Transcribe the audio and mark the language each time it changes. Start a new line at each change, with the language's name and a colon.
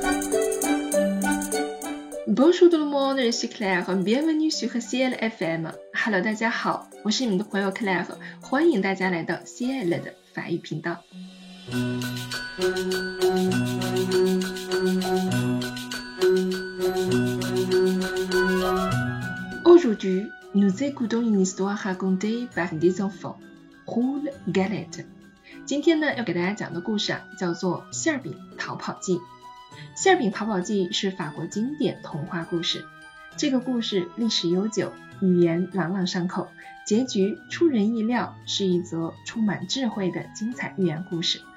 French: Bonjour tout le monde, je suis Claire, bienvenue sur Ciel FM.
Chinese: Hello, 大家好，我是你们的朋友 Claire， 欢迎大家来到 Ciel 的法语频道。
French: Aujourd'hui, nous écoutons une histoire racontée par des enfants. Roule Galette.
Chinese: 今天呢，要给大家讲的故事啊，叫做《馅饼逃跑记》。馅饼逃跑记是法国经典童话故事，这个故事历史悠久，语言朗朗上口，结局出人意料，是一则充满智慧的精彩寓言故事。